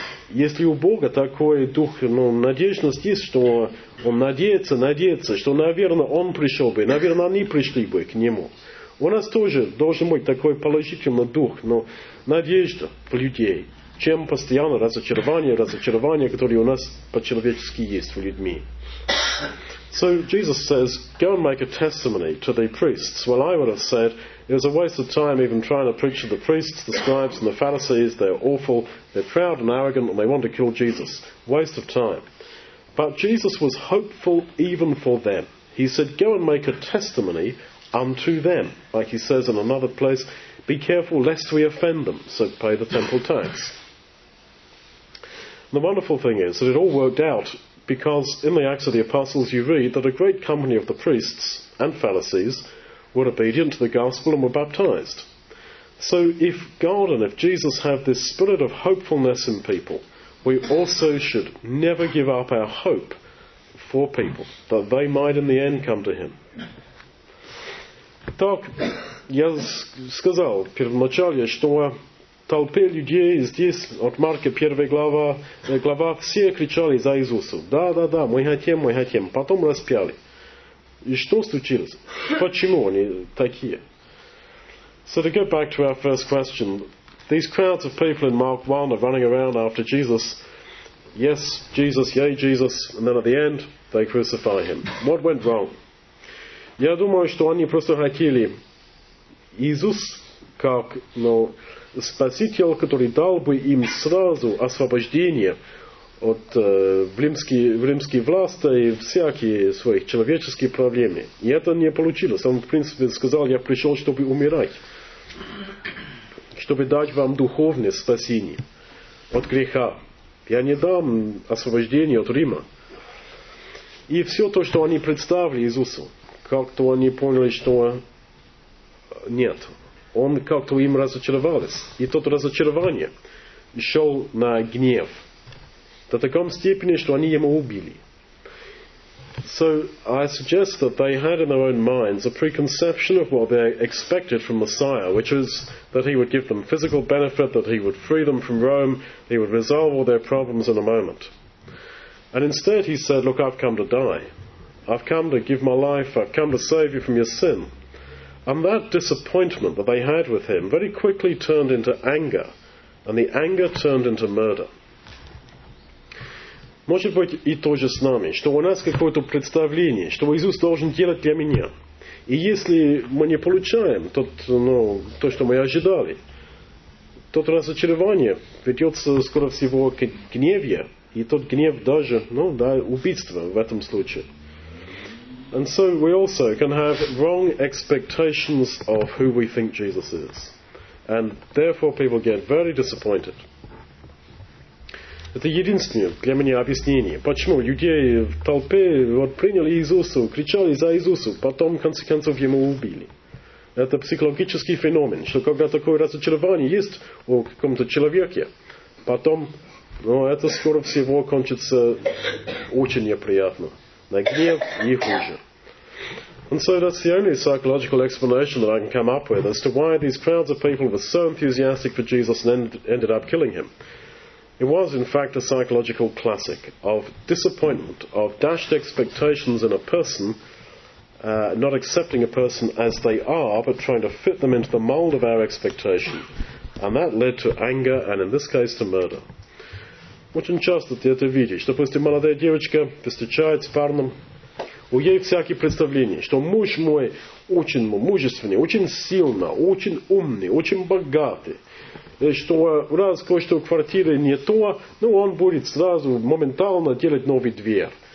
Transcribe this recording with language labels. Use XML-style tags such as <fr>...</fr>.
<ru>Если у Бога такой дух, ну, надежность есть, что он надеется, что, наверное, он пришел бы, наверное, они пришли бы к нему. У нас тоже должен быть такой положительный дух, но надежда в людей. чем постоянно разочарование, разочарование, которое у нас по-человечески есть в людьми.</ru> <en>So Jesus says, go and make a testimony to the priests. Well, I would have said, it was a waste of time even trying to preach to the priests, the scribes and the Pharisees. They're awful, they're proud and arrogant, and they want to kill Jesus. Waste of time. But Jesus was hopeful even for them. He said, go and make a testimony unto them. Like he says in another place, be careful lest we offend them, so pay the temple tax. And the wonderful thing is that it all worked out, because in the Acts of the Apostles you read that a great company of the priests and Pharisees were obedient to the gospel and were baptized. So if God and if Jesus have this spirit of hopefulness in people, we also should never give up our hope for people, that they might in the end come to him.</en> <ru>Так, я сказал первоначально, что толпе людей здесь, от Марка 1 глава, все кричали за Иисуса. Да, да, да, мы хотим, мы хотим. Потом распяли. И что случилось? Почему они такие?</ru> <en>So to go back to our first question, these crowds of people in Mark 1 are running around after Jesus. Yes, Jesus, yay, Jesus. And then at the end, they crucify him. What went wrong?</en> <ru>Я думаю, что они просто хотели Иисус как, ну, Спаситель, который дал бы им сразу освобождение от в римские власти и всякие свои человеческие проблемы. И это не получилось. Он, в принципе, сказал, я пришел, чтобы умирать, чтобы дать вам духовное спасение от греха. Я не дам освобождение от Рима. И все то, что они представили Иисусу, как-то они поняли, что нет. Он как-то им разочаровался. И тот разочарование шел на гнев. До такой степени, что они ему убили.</ru> <en>So, I suggest that they had in their own minds a preconception of what they expected from Messiah, which is that he would give them physical benefit, that he would free them from Rome, he would resolve all their problems in a moment. And instead he said, look, I've come to die. I've come to give my life, I've come to save you from your sin. And that disappointment that they had with him very quickly turned into anger, and the anger turned into murder.</en> <ru>Может быть и то же с нами, что у нас какое-то представление, что Иисус должен делать для меня. И если мы не получаем то, что мы ожидали, тот разочарование ведется скоро всего к гневу, и тот гнев даже, убийство в этом случае.</ru> <en>And so we also can have wrong expectations of who we think Jesus is. And therefore people get very disappointed.</en> <ru>Это единственное для меня объяснение, почему людей в толпе вот приняли Иисуса, кричали за Иисуса, потом в конце концов ему убили. Это психологический феномен, что когда такое разочарование есть у каком-то человеке, потом, это скоро всего кончится очень неприятно. На гнев и хуже.</ru> <en>And so that's the only psychological explanation that I can come up with as to why these crowds of people were so enthusiastic for Jesus and ended up killing him. It was, in fact, a psychological classic of disappointment, of dashed expectations in a person, not accepting a person as they are, but trying to fit them into the mold of our expectation. And that led to anger, and in this case, to murder.</en> <ru>Очень часто ты это видишь. Допустим, молодая девочка встречается с парнем, у ей всякие представления, что муж мой очень мужественный, очень сильный, очень умный, очень богатый. Что раз кое-что в квартире не то, он будет сразу моментально делать новый дверь.</ru>